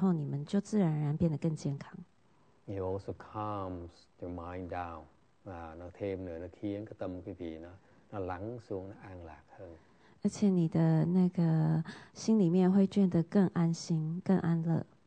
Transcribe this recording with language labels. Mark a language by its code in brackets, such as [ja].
[zh] 所以呢，只是直立跟你们说，当你的气增强的时候，你们就自然而然变得更健康。 [en] It also calms your mind down. [vi] Nó thêm nữa, nó khiến cái tâm quý vị nó lắng xuống, nó an lạc hơn. [zh] 而且你的那个心里面会变得更安心，更安乐。